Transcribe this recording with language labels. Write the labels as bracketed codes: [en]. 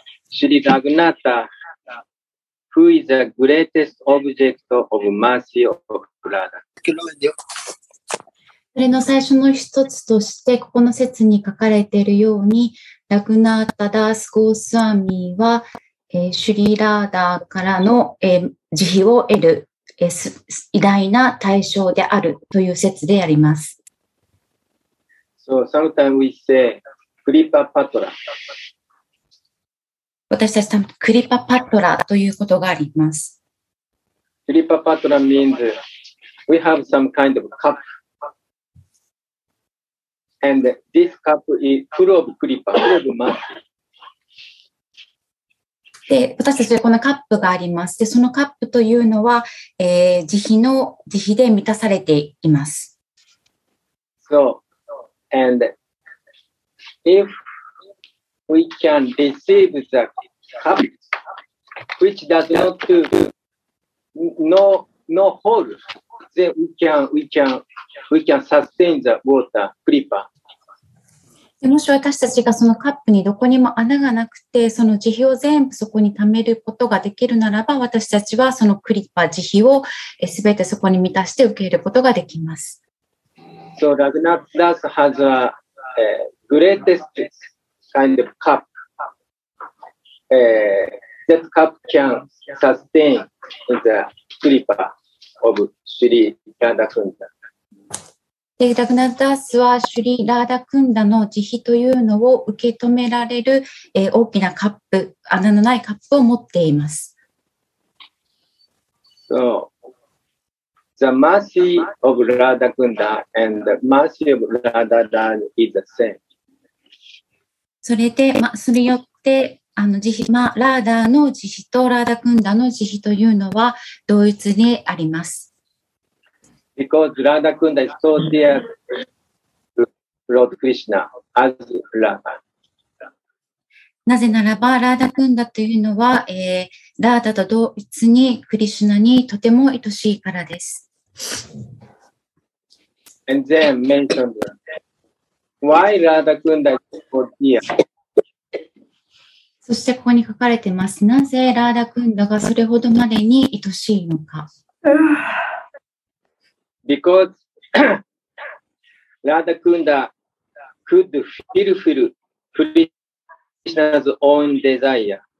[en] Shri Raghunatha, who is the greatest object of mercy of Radha. [ja] それの最初の一つとして、ここの説に書かれているように、ラグナータ・ダース・ゴースワーミーは、シュリ・ラーダーからの、慈悲を得る、偉大な対象であるという説であります。 [en] So sometimes we say Kripa Patra. [ja] 私たちは多分クリパパトラということがあります。 [en] クリパパトラ means we have some kind of cup. And this cup is full of Kripa, full of mercy. [ja] で、私たちはこのカップがあります。で、そのカップというのは、慈悲の、慈悲で満たされています。 [en] So,And if we can receive the cup, which does not do no hole, then we can sustain the water, Kripa. [ja] もし私たちがそのカップにどこにも穴がなくて、その慈悲を全部そこに貯めることができるならば、私たちはそのクリパ、慈悲をすべてそこに満たして受けることができます。 [en] So Raghunatha Das has a greatest kind of cup. That cup can sustain the Kripa of Sri Radha Kunda. [ja] Raghunatha Das は Sri Radha Kunda の慈悲というのを受け止められる、大きなカップ、穴のないカップを持っています。 [en] So the mercy of Radha Kunda and the mercy of Radha Rani is the same. [ja] それで、ま、それによって、あの慈悲、ま、ラーダーの慈悲とラーダクンダの慈悲というのは同一であります。 [en] Because Radha Kunda is so dear to Lord Krishna as Radha. [ja] なぜならば、ラーダクンダというのは、ラーダと同一にクリシュナにとても愛しいからです。 [en] And then mentioned why Radha Kunda is so dear. [ja] そしてここに書かれてます。なぜラーダクンダがそれほどまでに愛しいのか。 [en] Because Radha Kunda could fulfill Krishna's own desire.